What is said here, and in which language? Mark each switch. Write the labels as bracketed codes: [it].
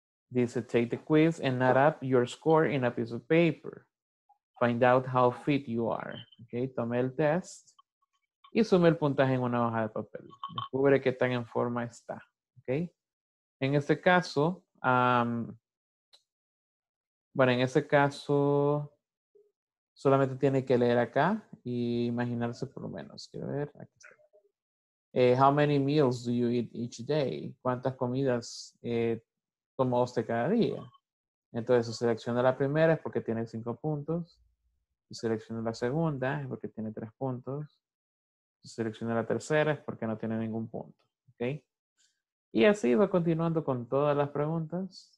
[es] Dice, [en] take the quiz and add up your score in a piece of paper. Find out how fit you are. [es] Okay, tome el test y sume el puntaje en una hoja de papel. Descubre qué tan en forma está. Okay. En este caso, bueno, en este caso, solamente tiene que leer acá e imaginarse por lo menos. Quiero ver, aquí está. [en] How many meals do you eat each day? [es] ¿Cuántas comidas toma usted cada día? Entonces, si selecciona la primera es porque tiene 5 puntos. Si selecciona la segunda es porque tiene 3 puntos. Si selecciona la tercera es porque no tiene ningún punto. ¿Ok? Y así va continuando con todas las preguntas.